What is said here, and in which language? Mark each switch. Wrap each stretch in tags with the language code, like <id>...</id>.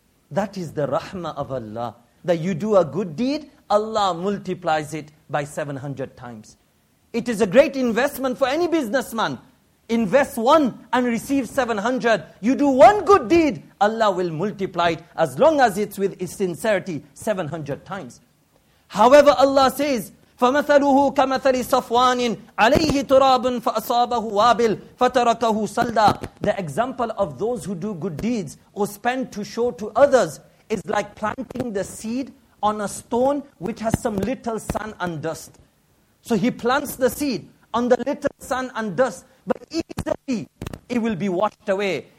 <en>That is the rahmah of Allah. That you do a good deed, Allah multiplies it by 700 times. It is a great investment for any businessman. Invest 1 and receive 700. You do 1 good deed, Allah will multiply it as long as it's with its sincerity, 700 times. However, Allah says,</en> <ar>فَمَثَلُهُ كَمَثَلِ صَفْوَانٍ عَلَيْهِ تُرَابٌ فَأَصَابَهُ وَابِلٌ فَتَرَكَهُ صَلْدًا.</ar> <en>The example of those who do good deeds or spend to show to others is like planting the seed on a stone which has some little sand and dust. So he plants the seed on the little sand and dust, but easily it will be washed away.</en>